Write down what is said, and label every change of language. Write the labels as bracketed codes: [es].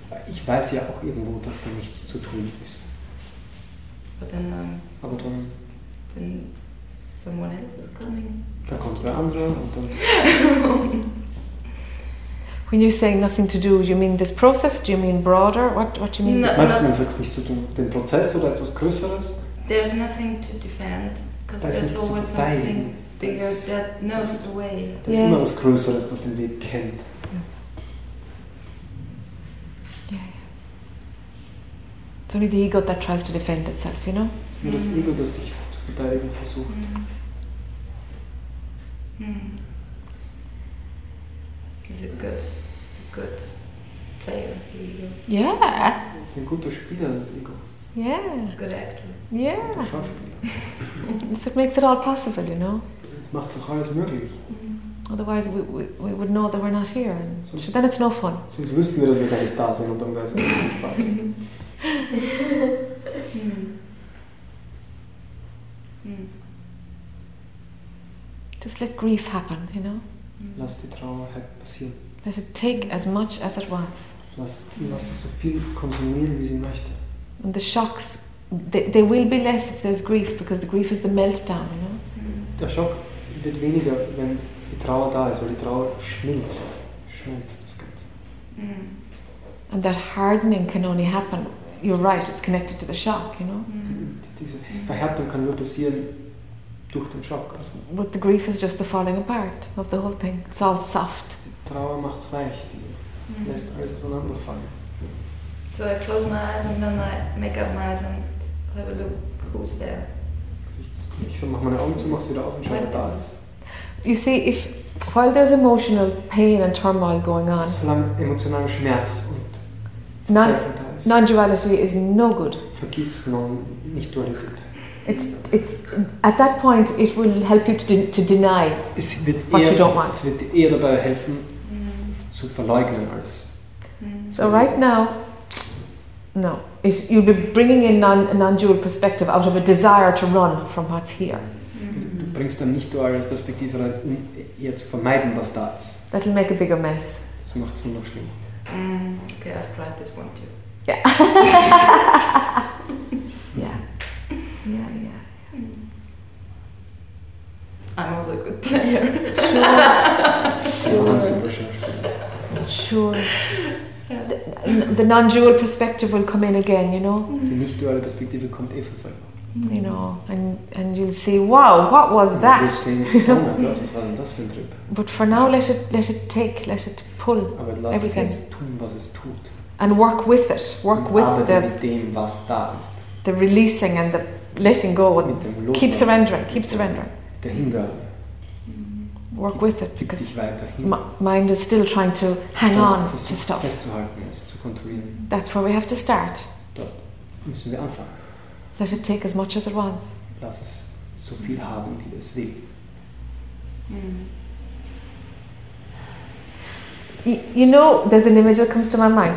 [de] Ich weiß ja auch irgendwo, dass da nichts zu tun ist. [en] But then [de] aber dann, [en] then someone else is coming. [de] Da kommt der andere und dann [en] when you say nothing to do, you mean this process? Do you mean broader? What do you mean? [de] Was meinst du, wenn du sagst nichts zu tun? Den Prozess oder etwas Größeres? [en] There's nothing to defend. [de] Da ist immer was Größeres, das den Weg kennt. [en] Yeah. It's only the ego that tries to defend itself, you know? [de] Es ist nur das Ego, das sich zu verteidigen versucht. [en] Is it good player, the ego? Yeah. [de] Ist ein guter Spieler, das Ego. [en] Yeah. Good actor. Yeah. [de] Guter Schauspieler. [en] So it makes it all possible, you know? [de] Macht's auch alles möglich. [en] Otherwise we would know that we're not here. And [de] sonst, [en] so then it's no fun. [de] Sonst wüssten wir, dass wir gar nicht da sind und dann wäre es auch kein Spaß. [en] Just let grief happen, you know? [de] Lass die Trauer passieren. [en] Let it take as much as it wants. [de] Lass es so viel konsumieren, wie sie möchte. [en] And the shocks, they will be less if there's grief, because the grief is the meltdown, you know? [de] Der Schock wird weniger, wenn die Trauer da ist, weil die Trauer schmilzt das Ganze. [en] And that hardening can only happen, you're right, it's connected to the shock, you know? [de] Diese Verhärtung kann nur passieren durch den Schock. [en] Also, but the grief is just the falling apart of the whole thing, it's all soft. [de] Die Trauer macht's weich, die lässt alles auseinanderfallen. [en] So I close my eyes and then I make up my eyes and have a look who's there. [de] Ich so mach meine Augen zu, mach's wieder auf und schau, wer da ist. [en] You see, if while there's emotional pain and turmoil going on, [de] solange emotionaler Schmerz und [en] non-duality is no good. [de] Vergiss Nicht-Dualität. [en] It's at that point it will help you to deny what you don't want. [de] Es wird eher dabei helfen, zu verleugnen als. [en] So right now. No, you'll be bringing in a non-dual perspective out of a desire to run from what's here. [de] Du bringst dann nicht duale Perspektive rein, um eher zu vermeiden, was da ist. [en] That'll make a bigger mess. [de] Das macht es nur noch schlimmer. [en] Okay, I've tried this one too. Yeah. Yeah. I'm also a good player. Sure. The non-dual perspective will come in again, you know. [de] Die nicht-duale Perspektive kommt eh von selber. [en] You know, and you'll see, wow, what was that? Oh my God, [de] was war denn das für ein Trip? [en] But for now, let it take, let it pull. [de] Aber lass [en] everything. [de] Es jetzt tun, was es tut. [en] And work with it. Work [de] und [en] with the. [de] Mit dem, was da ist. [en] The releasing and the letting go. [de] Mit dem Loslassen. [en] Keep surrendering. Keep surrendering. [de] Der Hingabe. [en] Work with it, because mind is still trying to hang on to stuff. [de] Festzuhalten, es zu kontrollieren. [en] That's where we have to start. [de] Dort müssen wir anfangen. [en] Let it take as much as it wants. [de] Lass es so viel haben, wie es will. [en] You know, there's an image that comes to my mind.